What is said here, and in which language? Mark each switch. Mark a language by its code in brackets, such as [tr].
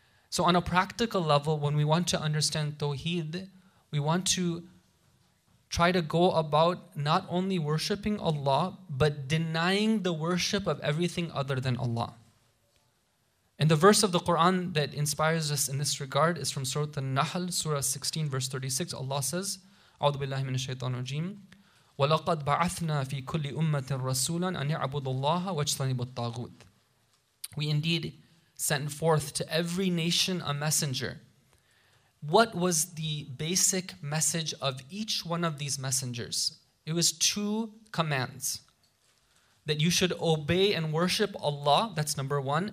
[en] So on a practical level, when we want to understand Tawheed, we want to try to go about not only worshipping Allah, but denying the worship of everything other than Allah. And the verse of the Quran that inspires us in this regard is from Surah An-Nahl, Surah 16, verse 36. Allah says, [ar] أعوذ بالله من الشيطان الرجيم وَلَقَدْ بَعَثْنَا فِي كُلِّ أُمَّةٍ رَسُولًا أَنْ يَعْبُدُ اللَّهَ وَاجْتَنِبُ الطَّاغُوتِ. [en] We indeed sent forth to every nation a messenger. What was the basic message of each one of these messengers? It was two commands. That you should obey and worship Allah, that's number one.